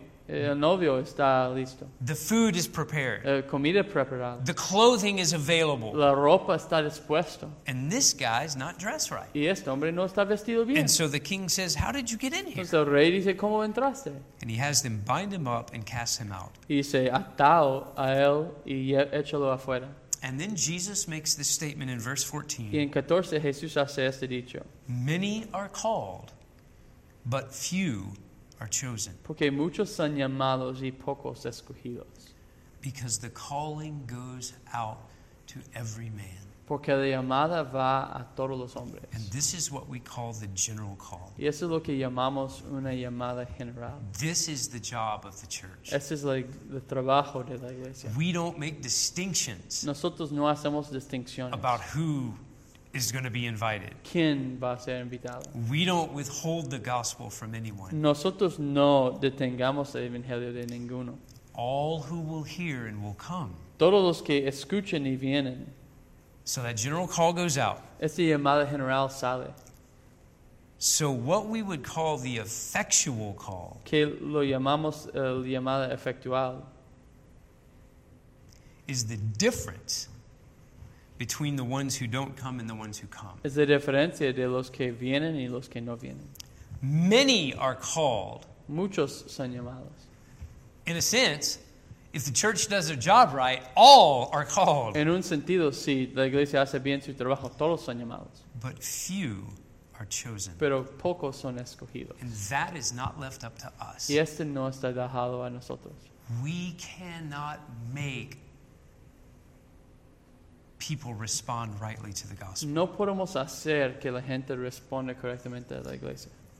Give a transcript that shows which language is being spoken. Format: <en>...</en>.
<es>El novio está listo.</es> <en>The food is prepared.</en> <es>La comida preparada.</es> <en>The clothing is available.</en> <es>La ropa está dispuesta.</es> <en>And this guy is not dressed right.</en> <es>Y este hombre no está vestido bien.</es> <en>And so the king says, "How did you get in here?"</en> <es>Entonces el rey dice, ¿cómo entraste?</es> <en>And he has them bind him up and cast him out.</en> <es>Y dice, atado a él y échalo afuera.</es> <en>And then Jesus makes this statement in verse 14.</en> <es>Y en 14 Jesús hace este dicho.</es> <en>Many are called, but few are chosen.</en> <es>Porque muchos son llamados y pocos escogidos.</es> <en>Because the calling goes out to every man.</en> <es>Porque la llamada va a todos los hombres.</es> <en>And this is what we call the general call.</en> <es>Y eso es lo que llamamos una llamada general.</es> <en>This is the job of the church.</en> <es>Este es like el trabajo de la iglesia.</es> <en>We don't make distinctions.</en> <es>Nosotros no hacemos distinciones.</es> <en>About who is going to be invited.</en> <es>¿Quién va a ser invitado?</es> <en>We don't withhold the gospel from anyone.</en> <es>Nosotros no detengamos el evangelio de ninguno.</es> <en>All who will hear and will come.</en> <es>Todos los que escuchen y vienen.</es> <en>So that general call goes out.</en> <es>Este llamado general sale.</es> <en>So what we would call the effectual call.</en> <es>Que lo llamamos el llamado efectual.</es> <en>Is the difference between the ones who don't come and the ones who come.</en> <es>Es la diferencia de los que vienen y los que no vienen.</es> <en>Many are called.</en> <es>Muchos son llamados.</es> <en>In a sense, if the church does their job right, all are called.</en> <es>En un sentido, si la iglesia hace bien su trabajo, todos son llamados.</es> <en>But few are chosen.</en> <es>Pero pocos son escogidos.</es> <en>And that is not left up to us.</en> <es>Y este no está dejado a nosotros.</es> <en>We cannot make people respond rightly to the gospel.</en> <es>No podemos hacer que la gente responda correctamente a la iglesia.</es>